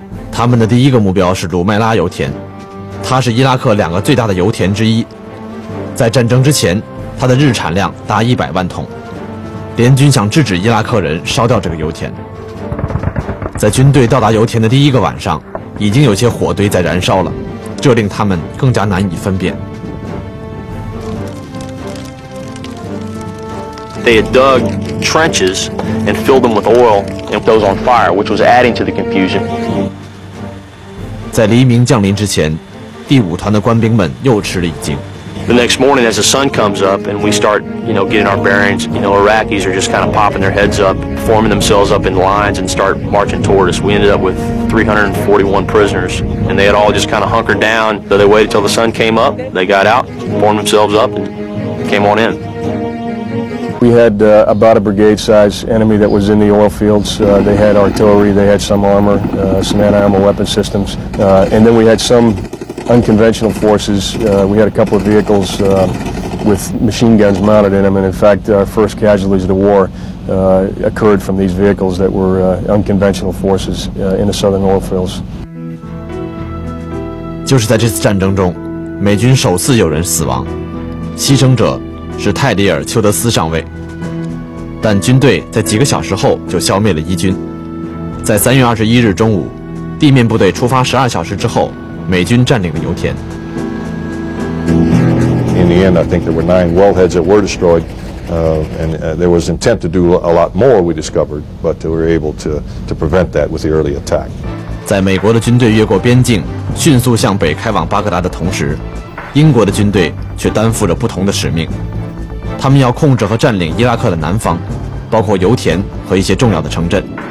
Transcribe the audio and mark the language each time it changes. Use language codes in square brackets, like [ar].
[zh] 他们的第一个目标是鲁麦拉油田，它是伊拉克两个最大的油田之一，在战争之前它的日产量达100万桶。联军想制止伊拉克人烧掉这个油田，在军队到达油田的第一个晚上已经有些火堆在燃烧了，这令他们更加难以分辨。 [en] They had dug trenches and filled them with oil and those on fire, which was adding to the confusion. [zh] 在黎明降临之前，第五团的官兵们又吃了一惊。 [en] The next morning, as the sun comes up and we start, you know, getting our bearings, you know, Iraqis are just kind of popping their heads up, forming themselves up in lines and start marching toward us. We ended up with 341 prisoners, and they had all just kind of hunkered down. So they waited till the sun came up, they got out, formed themselves up, and came on in. We had about a brigade-sized enemy that was in the oil fields. They had artillery, they had some armor, some anti-armor weapon systems, and then we had some. Unconventional forces. We had a couple of vehicles with machine guns mounted in them, and in fact, our first casualties of the war occurred from these vehicles that were unconventional forces in the southern oil fields. [zh] 就是在这次战争中，美军首次有人死亡，牺牲者是泰迪尔·丘德斯上尉。但军队在几个小时后就消灭了伊军。在3月21日中午，地面部队出发12小时之后。美军占领了油田。 [en] In the end, I think there were 9 wellheads that were destroyed, and there was intent to do a lot more. We discovered, but we were able to prevent that with the early attack. [zh] 在美国的军队越过边境，迅速向北开往巴格达的同时，英国的军队却担负着不同的使命。他们要控制和占领伊拉克的南方，包括油田和一些重要的城镇。